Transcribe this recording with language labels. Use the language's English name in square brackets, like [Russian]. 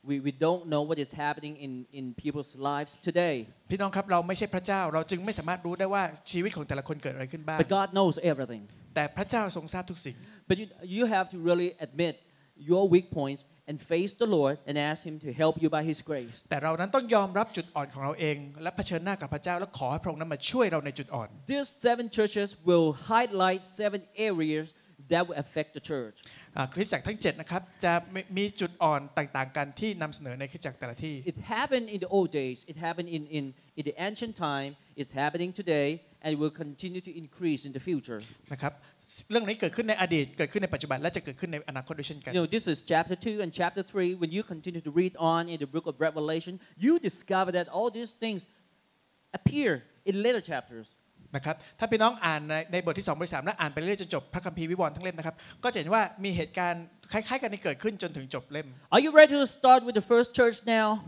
[English] We don't know what is happening in people's lives today. [Thai] พี่น้องครับเราไม่ใช่พระเจ้าเราจึงไม่สามารถรู้ได้ว่าชีวิตของแต่ละคนเกิดอะไรขึ้นบ้าง [English] But God knows everything. [Thai] แต่พระเจ้าทรงทราบทุกสิ่ง [English] But you have to really admit your weak points and face the Lord and ask Him to help you by His grace. [Thai] แต่เรานั้นต้องยอมรับจุดอ่อนของเราเองและเผชิญหน้ากับพระเจ้าและขอให้พระองค์นั้นมาช่วยเราในจุดอ่อน [English] These seven churches will highlight seven areas. That will affect the church. [Thai] คริสตจักรทั้ง7นะครับจะมีจุดอ่อนต่างๆกันที่นำเสนอในคริสตจักรแต่ละที่ [English] It happened in the old days. It happened in the ancient time. It's happening today, and will continue to increase in the future. [Thai] นะครับเรื่องนี้เกิดขึ้นในอดีตเกิดขึ้นในปัจจุบันและจะเกิดขึ้นในอนาคตด้วยเช่นกัน [English] You know, this is chapter 2 and chapter 3. When you continue to read on in the book of Revelation, you discover that all these things appear in later chapters. [Thai] นะครับถ้าพี่น้องอ่านในบทที่2บท3และอ่านไปเรื่อยจนจบพระคัมภีร์วิวรณ์ทั้งเล่มนะครับก็จะเห็นว่ามีเหตุการณ์คล้ายๆกันที่เกิดขึ้นจนถึงจบเล่ม [English] Are you ready to start with the first church now?